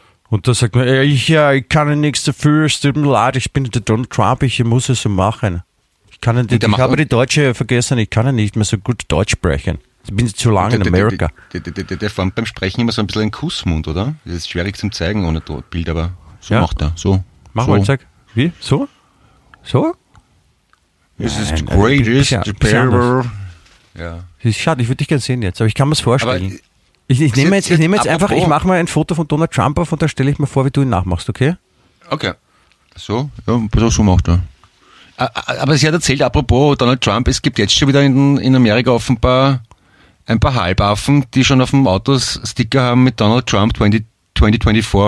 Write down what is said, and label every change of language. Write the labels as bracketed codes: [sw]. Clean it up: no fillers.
[de] Und da sagt man, ich kann nichts dafür, es tut mir leid, ich bin der Donald Trump, ich muss es so machen. Ich habe die Deutsche vergessen, ich kann nicht mehr so gut Deutsch sprechen. Ich bin zu lange in Amerika. Der formt beim Sprechen immer so ein bisschen einen Kussmund, oder? Das ist schwierig zum Zeigen ohne Bild, aber so ja. Macht er. So. Mach mal, zeig. Wie? So? So? [en] This is the greatest paper. [de] Ja. Schade, ich würde dich gerne sehen jetzt, aber ich kann mir es vorstellen. Ich mache mal ein Foto von Donald Trump auf und dann stelle ich mir vor, wie du ihn nachmachst, okay? Okay. So? Ja, so macht er. Aber sie hat erzählt, apropos Donald Trump, es gibt jetzt schon wieder in Amerika offenbar ein paar Halbaffen, die schon auf dem Autos Sticker haben mit Donald Trump 2024.